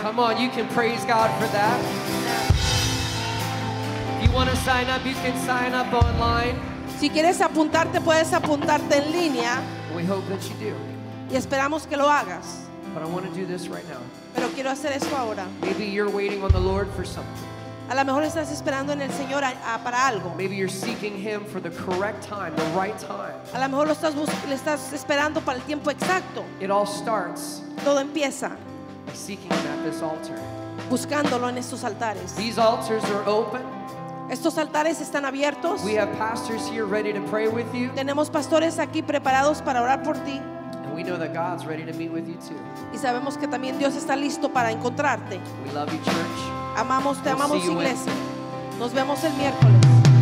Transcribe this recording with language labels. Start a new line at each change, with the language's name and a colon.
English: Come on, you can praise God for that. If you want to sign up, you can sign up online.
Spanish: Si quieres apuntarte, puedes apuntarte en línea.
English: We hope that you do.
Spanish: Y esperamos que lo hagas.
English: But I want to do this right now.
Spanish: Pero quiero hacer esto ahora.
English: Maybe you're waiting on the Lord for something.
Spanish: A lo mejor estás esperando en el Señor para algo.
English: Maybe you're seeking him for the correct time, the right time.
Spanish: A lo mejor le estás esperando para el tiempo exacto.
English: It all starts.
Spanish: Todo empieza.
English: Seeking him at this altar.
Spanish: Buscándolo en estos altares.
English: These altars are open.
Spanish: Estos altares están abiertos.
English: We have pastors here ready to pray with you.
Spanish: Tenemos pastores aquí preparados para orar por ti.
English: And we know that God's ready to meet with you too.
Spanish: Y sabemos que también Dios está listo para encontrarte.
English: We love you, church.
Spanish: Amamos, te amamos, iglesia. Nos vemos el miércoles.